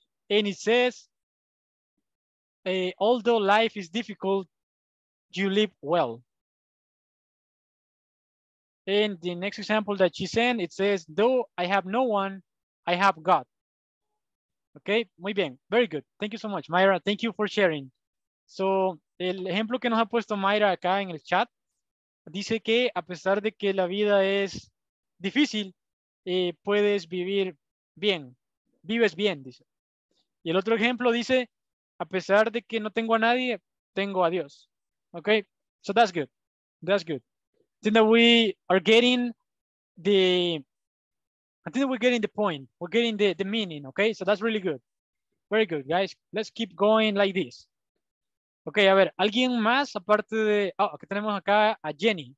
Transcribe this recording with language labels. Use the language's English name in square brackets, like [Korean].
[English] And it says, although life is difficult, you live well. In the next example that she sent, it says, though I have no one, I have God. Okay, [Spanish] muy bien, [English] very good. Thank you so much, Mayra. Thank you for sharing. [Spanish] So, el ejemplo que nos ha puesto Mayra acá en el chat, dice que a pesar de que la vida es difícil, puedes vivir bien, vives bien, dice. Y el otro ejemplo dice, a pesar de que no tengo a nadie, tengo a Dios. [English] Okay, so that's good, that's good. I think that we are getting the, We're getting the meaning, okay? So that's really good. Very good, guys. Let's keep going like this. [Spanish] Okay, a ver, alguien más aparte de, oh, aquí tenemos acá a Jenny.